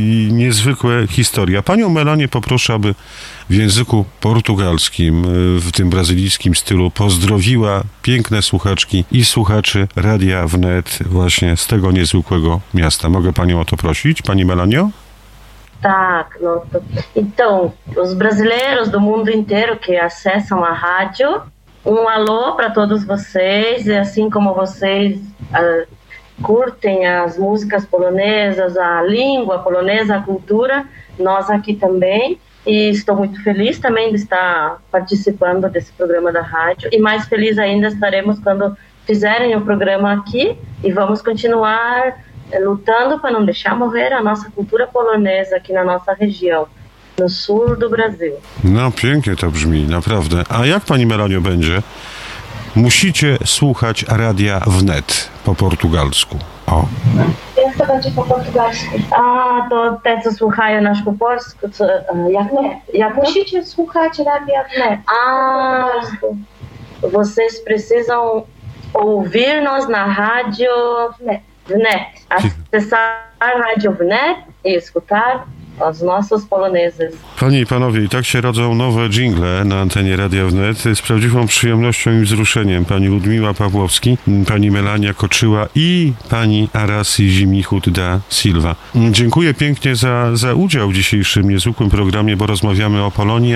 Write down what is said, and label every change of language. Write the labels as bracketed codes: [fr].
[pl] Niezwykłe historia. Panią Melanię poproszę, aby w języku portugalskim, w tym brazylijskim stylu, pozdrowiła piękne słuchaczki i słuchaczy Radia Wnet właśnie z tego niezwykłego miasta. Mogę panią o to prosić, pani Melanio? Tak, no to, [pt] então, os brasileiros do mundo inteiro que acessam a rádio, alô para todos vocês, e assim como vocês curtem as músicas polonesas, a língua polonesa, a cultura, nós aqui também, e estou muito feliz também de estar participando desse programa da rádio, e mais feliz ainda estaremos quando fizerem o programa aqui, e vamos continuar lutando para não deixar morrer a nossa cultura polonesa aqui na nossa região, no sul do Brasil. [pl] No, pięknie to brzmi, naprawdę. A jak pani Melanio będzie? Musicie słuchać Radia Wnet po portugalsku. O. Jak to będzie po portugalsku? A, to te, co słuchają nasz po polsku, co, jak nie? Jak musicie to? Słuchać Radia Wnet po portugalsku. [pt] Vocês precisam ouvir nós na rádio Wnet. Acessar a rádio Wnet e escutar [pl] z nosu z Polonezy. Panie i panowie, i tak się rodzą nowe dżingle na antenie Radia Wnet. Z prawdziwą przyjemnością i wzruszeniem pani Ludmiła Pawłowski, pani Melania Koczyła i pani Arasi Zimichut da Silva. Dziękuję pięknie za udział w dzisiejszym niezwykłym programie, bo rozmawiamy o Polonii.